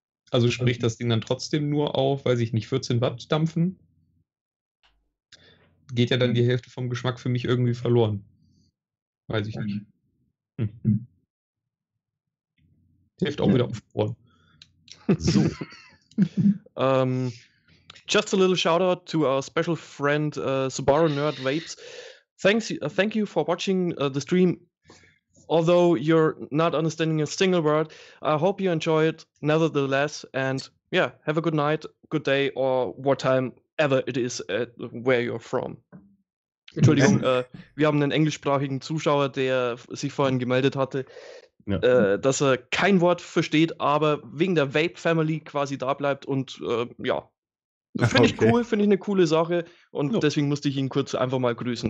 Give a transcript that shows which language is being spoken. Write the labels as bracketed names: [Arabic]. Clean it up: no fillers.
[German] Also spricht das Ding dann trotzdem nur auf, weiß ich nicht, 14 Watt dampfen? Geht ja dann die Hälfte vom Geschmack für mich irgendwie verloren. Weiß ich nicht. Hilft auch wieder auf Ohren. So. [English] just a little shout out to our special friend Subaru Nerd Vapes. Thank you for watching the stream. Although you're not understanding a single word, I hope you enjoy it nevertheless. And yeah, have a good night, good day or what time ever it is where you're from. [German] Entschuldigung, wir haben einen englischsprachigen Zuschauer, der sich vorhin gemeldet hatte. dass er kein Wort versteht, aber wegen der Vape-Family quasi da bleibt und ja, finde ich cool, finde ich eine coole Sache und deswegen musste ich ihn kurz einfach mal grüßen.